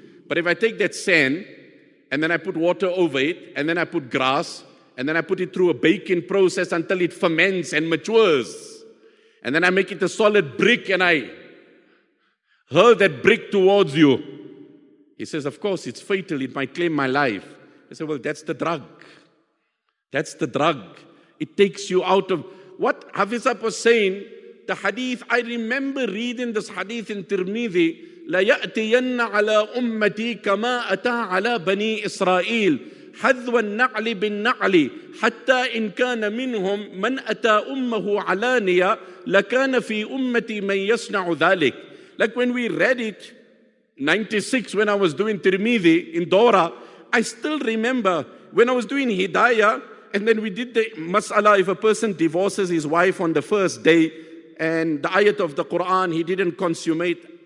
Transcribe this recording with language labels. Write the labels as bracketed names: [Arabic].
[English] But if I take that sand and then I put water over it and then I put grass and then I put it through a baking process until it ferments and matures, and then I make it a solid brick and I hurl that brick towards you, he says, of course, it's fatal. It might claim my life. I said, well, that's the drug. That's the drug. It takes you out of... What Hafiz Ab was saying, the hadith, I remember reading this hadith in Tirmidhi, [Arabic] لَيَأْتِيَنَّ عَلَىٰ أُمَّتِي كَمَا أَتَىٰ عَلَىٰ بَنِي إِسْرَائِيلِ حَذْوَ النَّعْلِ بِالنَّعْلِ حَتَّىٰ إِنْ كَانَ مِنْهُمْ مَنْ أَتَىٰ أُمَّهُ عَلَانِيَا لَكَانَ فِي أُمَّتِي مَنْ يَصْنَعُ ذَلِكَ. [English] Like when we read it, 96, when I was doing Tirmidhi in Dora, I still remember when I was doing Hidayah, and then we did the mas'ala, if a person divorces his wife on the first day, and the ayat of the Quran, he didn't consummate.